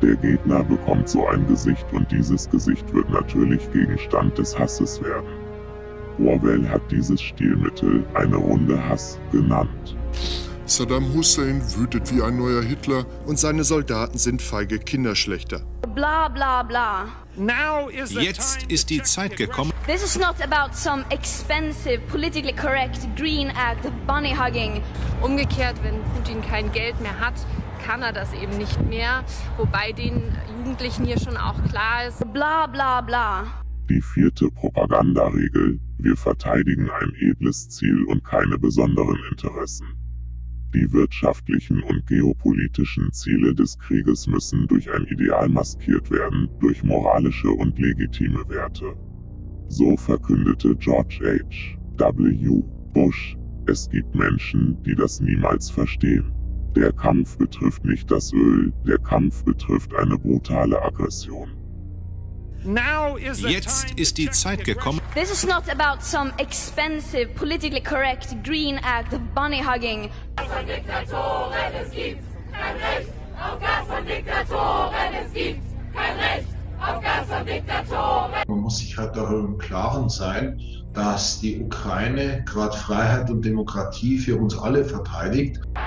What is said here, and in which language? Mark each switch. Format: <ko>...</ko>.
<de>Der Gegner bekommt so ein Gesicht und dieses Gesicht wird natürlich Gegenstand des Hasses werden. Orwell hat dieses Stilmittel eine Runde Hass genannt. Saddam Hussein wütet wie ein neuer Hitler und seine Soldaten sind feige Kinderschlechter. Bla bla bla. Jetzt ist die Zeit gekommen.</de> <en>This is not about some expensive, politically correct green act of bunny hugging.</en> <de>Umgekehrt, wenn Putin kein Geld mehr hat, kann er das eben nicht mehr. Wobei den Jugendlichen hier schon auch klar ist. Bla bla bla. Die vierte Propagandaregel: Wir verteidigen ein edles Ziel und keine besonderen Interessen. Die wirtschaftlichen und geopolitischen Ziele des Krieges müssen durch ein Ideal maskiert werden, durch moralische und legitime Werte. So verkündete George H. W. Bush: Es gibt Menschen, die das niemals verstehen. Der Kampf betrifft nicht das Öl, der Kampf betrifft eine brutale Aggression. Jetzt ist die Zeit gekommen.</de> <en>This is not about some expensive, politically correct green act of bunny hugging.</en> <de>Gas von Diktatoren, es gibt kein Recht auf Gas von Diktatoren, es gibt kein Recht auf Gas von Diktatoren. Man muss sich halt darüber im Klaren sein, dass die Ukraine gerade Freiheit und Demokratie für uns alle verteidigt.</de>